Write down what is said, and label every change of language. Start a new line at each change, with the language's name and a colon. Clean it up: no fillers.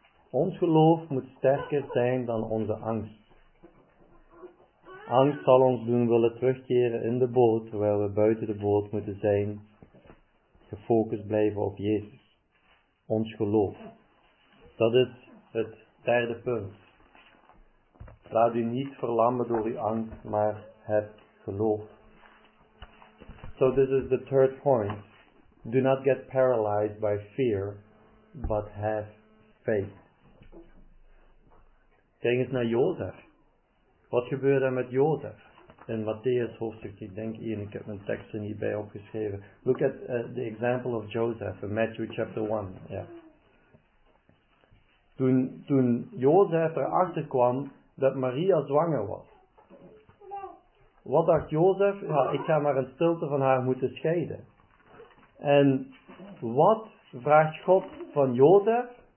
Dutch: Ons geloof moet sterker zijn dan onze angst. Angst zal ons doen willen terugkeren in de boot, terwijl we buiten de boot moeten zijn, gefocust blijven op Jezus. Ons geloof. Dat is het derde punt. Laat u niet verlammen door uw angst, maar heb geloof.
English: So this is the third point. Do not get paralyzed by fear, but have faith.
Dutch: Kijk eens naar Jozef. Wat gebeurde er met Jozef? In Matthäus hoofdstuk, ik denk hier, ik heb mijn tekst er niet bij opgeschreven.
English: Look at the example of Joseph in Matthew chapter 1. Yeah.
Dutch: Toen Jozef erachter kwam dat Maria zwanger was. Wat dacht Jozef? Ja, ik ga maar in stilte van haar moeten scheiden. En wat vraagt God van Jozef?